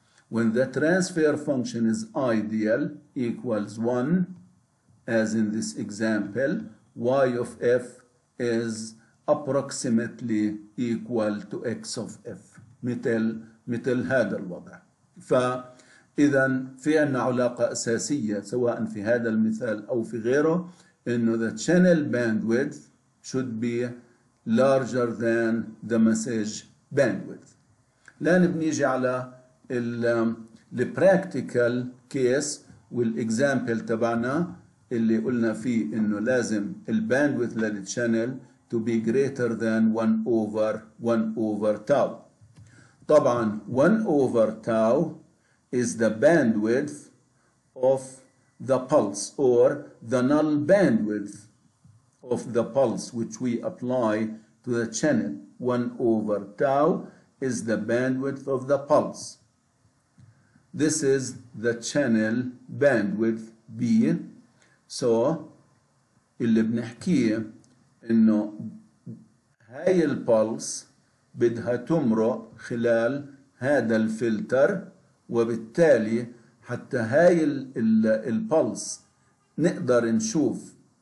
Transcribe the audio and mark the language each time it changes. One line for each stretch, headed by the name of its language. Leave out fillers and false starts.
English: When the transfer function is ideal equals 1, as in this example, Y of F is approximately equal to X of F.
Arabic: مثل هذا الوضع. ف إذن في عنا علاقة أساسية سواء في هذا المثال أو في غيره إنه
English: the channel bandwidth should be larger than the message bandwidth.
Arabic: الآن بنيجي على ال practical case والإكزامبل تبعنا اللي قلنا فيه إنه لازم ال bandwidth للشانل
English: to be greater than 1/1/tau. طبعا 1/tau is the bandwidth of the pulse or the null bandwidth of the pulse which we apply to the channel. 1/tau is the bandwidth of the pulse. This is the channel bandwidth B.
Arabic: So اللي بنحكيه انه هاي البلس بدها تمرق خلال هذا الفلتر وبالتالي حتى هاي البلس نقدر نشوف